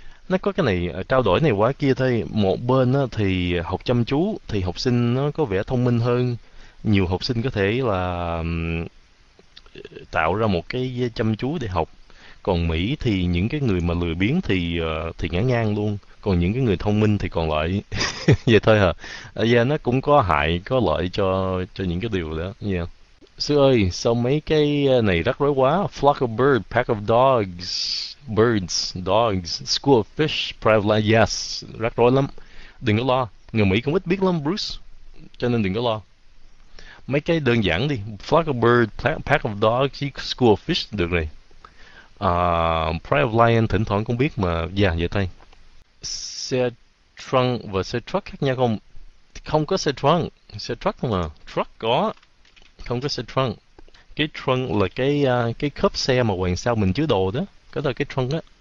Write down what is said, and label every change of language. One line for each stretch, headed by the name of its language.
Vietnamese: Nó có cái này trao đổi này quá kia thôi. Một bên á, thì học chăm chú thì học sinh nó có vẻ thông minh hơn, nhiều học sinh có thể là tạo ra một cái chăm chú để học. Còn Mỹ thì những cái người mà lười biếng thì ngã ngang luôn, còn những cái người thông minh thì còn lại. Vậy thôi hả? Yeah, nó cũng có hại có lợi cho những cái điều đó. Yeah. Sư ơi, sao mấy cái này rắc rối quá?
English: Flock of bird, pack of dogs, birds, dogs, school of fish, private land.
Vietnamese: Yes, rắc rối lắm. Đừng có lo. Người Mỹ cũng ít biết lắm, Bruce. Cho nên đừng có lo. Mấy cái đơn giản đi.
English: Flock of bird, pack of dogs, school of fish.
Vietnamese: Được rồi. Private land thỉnh thoảng cũng biết mà. Dạ, vậy thôi. Xe trunk và xe truck khác nhau không? Không có xe trunk. Xe truck mà. Truck có. Không có xe trunk. Cái trunk là cái cốp xe mà hàng sau mình chứa đồ đó, cái đó là cái trunk á.